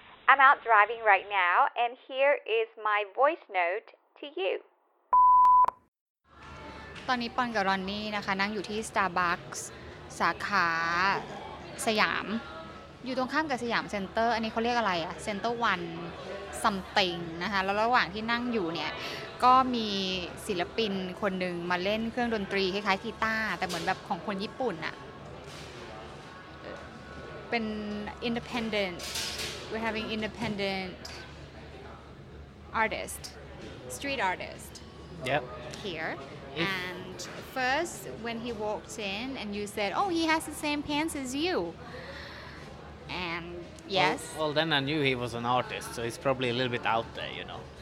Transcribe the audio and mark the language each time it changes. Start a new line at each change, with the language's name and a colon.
English: I'm out driving right now, and here is my voice note to you.
Thai: ตอนนี้ปอนกับรอนนี่นะคะนั่งอยู่ที่ Starbucks สาขาสยามอยู่ตรงข้ามกับสยามเซ็นเตอร์อันนี้เขาเรียกอะไรอ่ะเซ็นเตอร์วันซัมติงนะคะแล้วระหว่างที่นั่งอยู่เนี่ยก็มีศิลปินคนหนึ่งมาเล่นเครื่องดนตรีคล้ายๆกีตาร์แต่เหมือนแบบของคนญี่ปุ่นอะเป็น
English: independent we're having independent artist street artist yep here and first when he walked in and you said oh he has the same pants as you and yes well then I knew he was an artist so he's probably a little bit out there you know